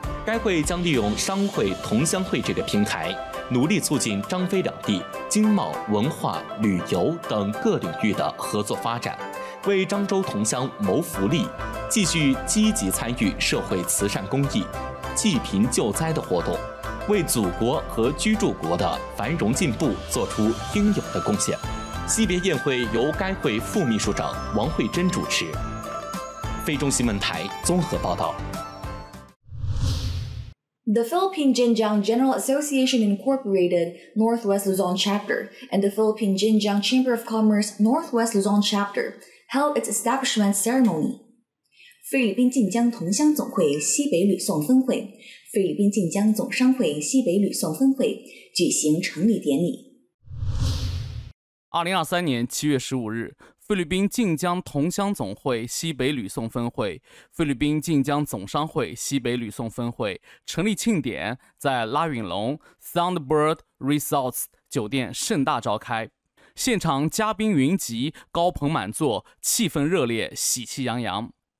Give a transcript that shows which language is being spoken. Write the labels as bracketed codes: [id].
[zh] 该会将利用商会同乡会这个平台，努力促进漳菲两地经贸、文化、旅游等各领域的合作发展，为漳州同乡谋福利，继续积极参与社会慈善公益、济贫救灾的活动，为祖国和居住国的繁荣进步做出应有的贡献。惜别宴会由该会副秘书长王慧珍主持。菲中新闻台综合报道。 [en] The Philippine Jinjiang General Association Incorporated Northwest Luzon Chapter and the Philippine Jinjiang Chamber of Commerce Northwest Luzon Chapter held its establishment ceremony. [zh] 菲律宾晋江同乡总会西北吕宋分会、菲律宾晋江总商会西北吕宋分会举行成立典礼。 2023年7月15日，菲律宾晋江同乡总会西北吕宋分会、菲律宾晋江总商会西北吕宋分会成立庆典在拉允龙 Soundbird Resorts 酒店盛大召开，现场嘉宾云集，高朋满座，气氛热烈，喜气洋洋。